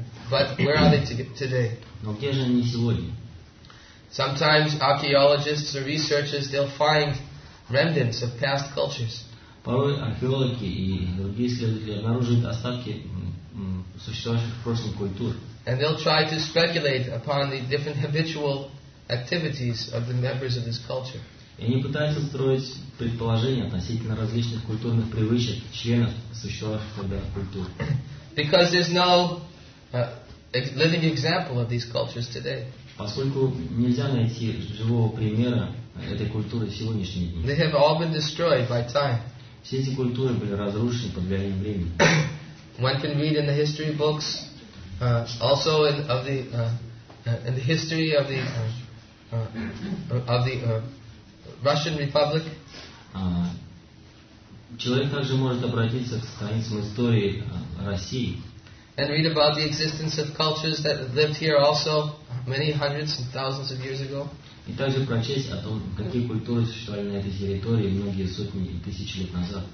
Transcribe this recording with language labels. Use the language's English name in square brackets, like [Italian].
[English] But where are they today? [Russian] Но где же они сегодня? [English] Sometimes archaeologists or researchers they'll find remnants of past cultures. [Russian] Порой археологи и другие исследователи обнаруживают остатки существовавших в прошлом культур. [English] And they'll try to speculate upon the different habitual activities of the members of this culture. [Russian] И они пытаются строить предположения относительно различных культурных привычек членов существовавших тогда культур. [English] Because there's no living example of these cultures today. [Russian] Поскольку нельзя найти живого примера этой культуры в сегодняшние дни. [English] They have all been destroyed by time. [Russian] Все эти культуры были разрушены под влиянием времени. [English] One can read in the history books, also in of the in the history of the Russian Republic. [Russian] Человек также может обратиться к страницам истории России. [English] And read about the existence of cultures that lived here also many hundreds and thousands of years ago. [Russian] И также прочесть о том, какие культуры существовали на этой территории многие сотни и тысячи лет назад.